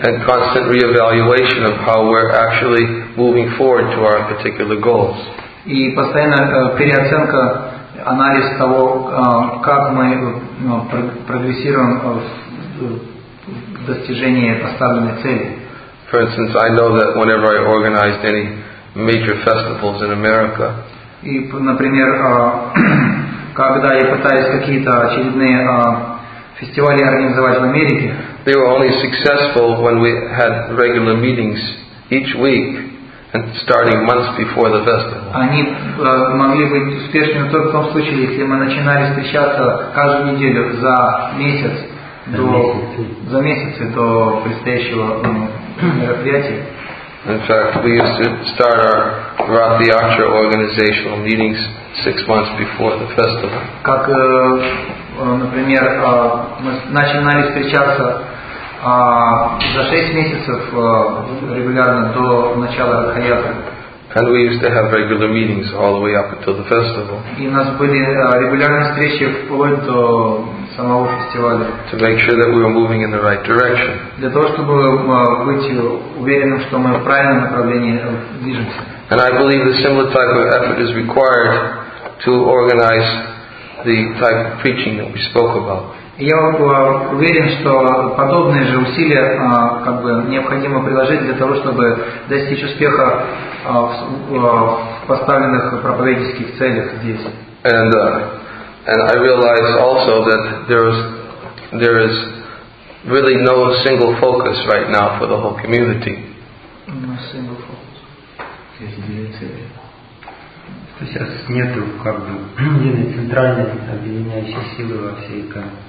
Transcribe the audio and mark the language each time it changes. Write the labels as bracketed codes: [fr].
[en] And constant reevaluation of how we're actually moving forward to our particular goals. [ru] И постоянно переоценка, анализ того, как мы прогрессируем в достижении поставленной цели. [en] For instance, I know that whenever I organized any major festivals in America. [ru] И, например, когда я пытаюсь какие-то очередные фестивали организовать в Америке. [en] They were only successful when we had regular meetings each week and starting months before the festival. [ru] Они могли быть успешными только в том случае, если мы начинали встречаться каждую неделю за месяц до предстоящего мероприятия. [en] In fact, we used to start our Rathyatra organizational meetings 6 months before the festival. [ru] Как, например, мы начинали встречаться за 6 месяцев регулярно до начала Рахаяты. [en] And we used to have regular meetings all the way up until the festival. [ru] И у нас были регулярные встречи вплоть до самого фестиваля. [en] To make sure that we were moving in the right direction. [ru] Для того чтобы быть уверенным, что мы в правильном направлении движемся. [en] And I believe the similar type of effort is required to organize the type of preaching that we spoke about. [ru] Я уверен, что подобные же усилия как бы необходимо приложить для того, чтобы достичь успеха в поставленных проповедческих целях здесь. [en] And I realize also that there is really no single focus right now for the whole community. No single focus. [ru] То сейчас нету как бы единой центральной объединяющей силы во всей коме.